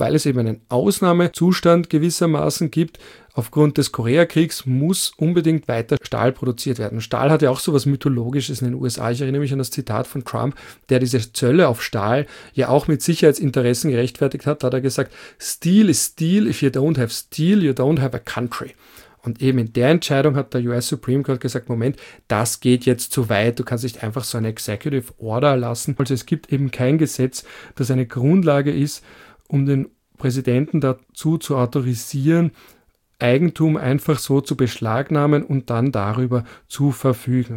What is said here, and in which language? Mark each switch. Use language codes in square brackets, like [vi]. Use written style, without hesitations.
[de] Weil es eben einen Ausnahmezustand gewissermaßen gibt. Aufgrund des Koreakriegs muss unbedingt weiter Stahl produziert werden. Stahl hat ja auch sowas Mythologisches in den USA. Ich erinnere mich an das Zitat von Trump, der diese Zölle auf Stahl ja auch mit Sicherheitsinteressen gerechtfertigt hat. Da hat er gesagt, [en] Steel is steel. If you don't have steel, you don't have a country. [de] Und eben in der Entscheidung hat der US Supreme Court gesagt, Moment, das geht jetzt zu weit, du kannst nicht einfach so eine Executive Order erlassen. Also es gibt eben kein Gesetz, das eine Grundlage ist, um den Präsidenten dazu zu autorisieren, Eigentum einfach so zu beschlagnahmen und dann darüber zu verfügen.